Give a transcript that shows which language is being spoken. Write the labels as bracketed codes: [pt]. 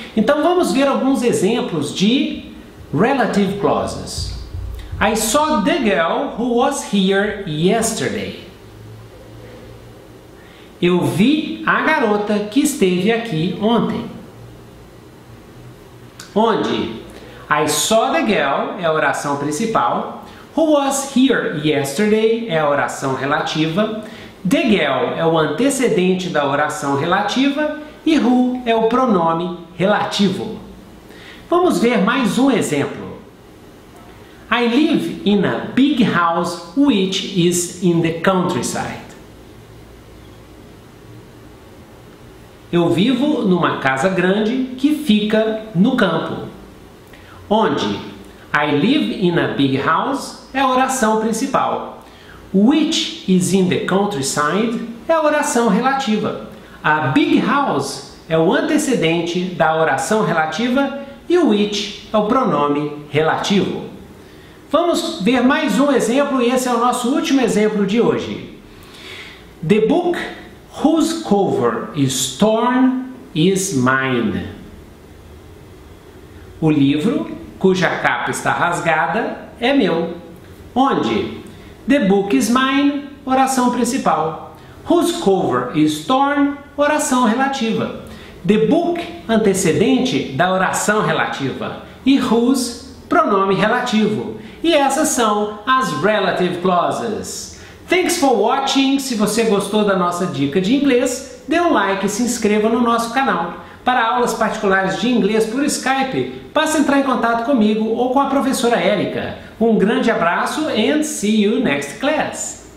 [pt] Então vamos ver alguns exemplos de [en] relative clauses. I saw the girl who was here yesterday. [pt] Eu vi a garota que esteve aqui ontem. Onde? [en] I saw the girl [pt] é a oração principal. [en] Who was here yesterday [pt] é a oração relativa. [en] The girl [pt] é o antecedente da oração relativa. E who é o pronome relativo. Vamos ver mais um exemplo. [en] I live in a big house which is in the countryside. [pt] Eu vivo numa casa grande que fica no campo. Onde? [en] I live in a big house [pt] é a oração principal. [en] Which is in the countryside [pt] é a oração relativa. [en] A big house [pt] é o antecedente da oração relativa e o which é o pronome relativo. Vamos ver mais um exemplo e esse é o nosso último exemplo de hoje. [en] The book whose cover is torn is mine. [pt] O livro cuja capa está rasgada é meu. Onde? [en] The book is mine, [pt] oração principal. [en] Whose cover is torn, [pt] oração relativa. [en] The book, [pt] antecedente da oração relativa. E whose, pronome relativo. E essas são as [en] relative clauses. Thanks for watching. [pt] Se você gostou da nossa dica de inglês, dê um like e se inscreva no nosso canal. Para aulas particulares de inglês por Skype, basta entrar em contato comigo ou com a professora Erica. Um grande abraço [en] and see you next class.